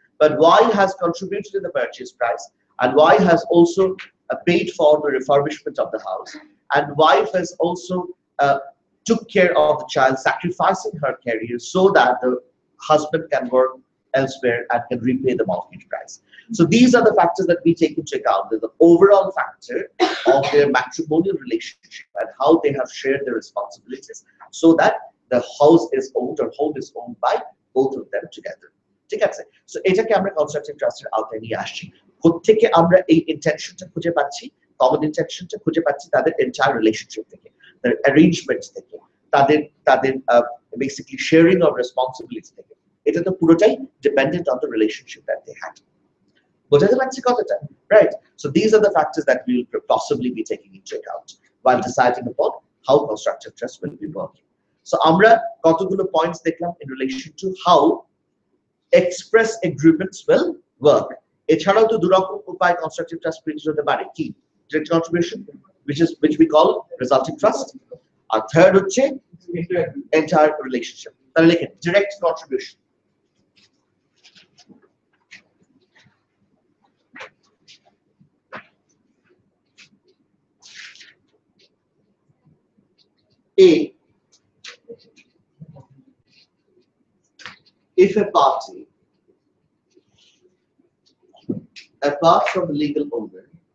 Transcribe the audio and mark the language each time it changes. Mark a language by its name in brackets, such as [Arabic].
[English] But Y has contributed to the purchase price, and Y has also paid for the refurbishment of the house, and wife has also took care of the child, sacrificing her career so that the husband can work elsewhere and can repay the mortgage price. So these are the factors that we take into account, the overall factor of their matrimonial relationship and how they have shared their responsibilities so that the house is owned or home is owned by both of them together. [Bangla] ঠিক আছে so এটাকে আমরা constructive ট্রাস্টের আওতায় নিয়ে আসছি কোথেকে আমরা এই ইন্টেনশনটা খুঁজে পাচ্ছি কমন ইন্টেনশনটা খুঁজে পাচ্ছি তাদের এন্টায়ার রিলেশনশিপ থেকে তাদের অ্যারেঞ্জমেন্ট থেকে তাদের তাদের বেসিক্যালি শেয়ারিং অফ রেসপন্সিবিলিটি থেকে এটা তো পুরোটাই [English] dependent on the relationship that they had [Bangla] বোঝাতে পারছি কথাটা [English] right so these are the factors that will possibly be taking in check out while deciding about how constructive trust will be working [Bangla] so আমরা কতগুলো points দেখলাম [English] In relation to how Express agreements will work. [Bangla] এছাড়াও তো দুরকম উপায় constructive trust principle হতে পারে কি direct contribution [English] which we call resulting trust [Bangla] আর third হচ্ছে entire relationship তাহলে লিখে direct contribution direct [English] A, if a party, apart from the legal owner,